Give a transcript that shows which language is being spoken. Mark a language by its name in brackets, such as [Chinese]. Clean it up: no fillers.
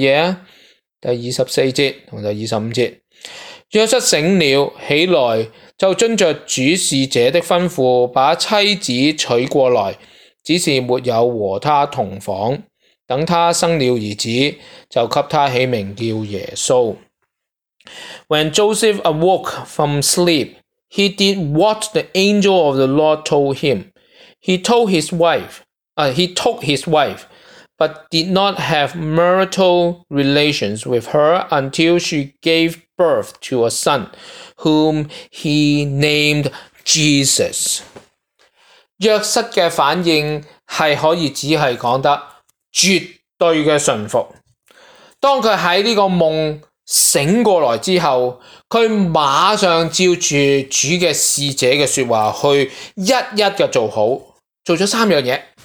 [Chinese] 第24节和第25节。约瑟醒了起来，就遵着主事者的吩咐把妻子娶过来，只是没有和他同房。等他生了儿子，就给他起名叫耶稣。 [English] When Joseph awoke from sleep, he did what the angel of the Lord told him. He took his wife, but did not have marital relations with her until she gave birth to a son, whom he named Jesus. [Chinese] 约瑟的反应是可以只是说得绝对的顺服。当他在这个梦醒过来之后，他马上照住主的使者的说话去一一的做好，做了三样东西。